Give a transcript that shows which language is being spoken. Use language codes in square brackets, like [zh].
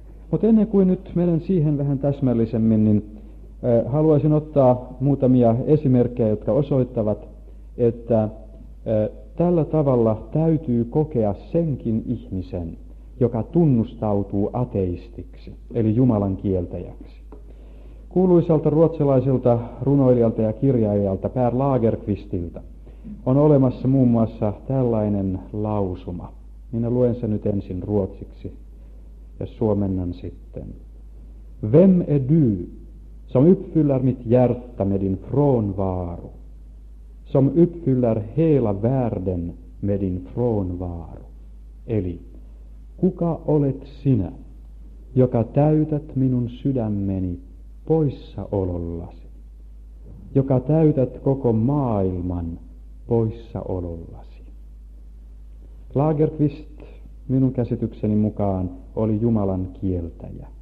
[fi] Mutta ennen kuin nyt menen siihen vähän täsmällisemmin, niin haluaisin ottaa muutamia esimerkkejä, jotka osoittavat, että tällä tavalla täytyy kokea senkin ihmisen, joka tunnustautuu ateistiksi, eli Jumalan kieltäjäksi. Kuuluisalta ruotsalaiselta runoilijalta ja kirjailijalta Per Lagerqvistilta on olemassa muun muassa tällainen lausuma. Minä luen sen nyt ensin ruotsiksi ja suomennan sitten. [sv] Vem är du som uppfyller mitt hjärta med din frånvaro, som uppfyller hela världen med din frånvaro. [fi] Eli, kuka olet sinä, joka täytät minun sydämeni poissaolollasi, joka täytät koko maailman poissaolollasi? Lagerqvist, minun käsitykseni mukaan, oli Jumalan kieltäjä.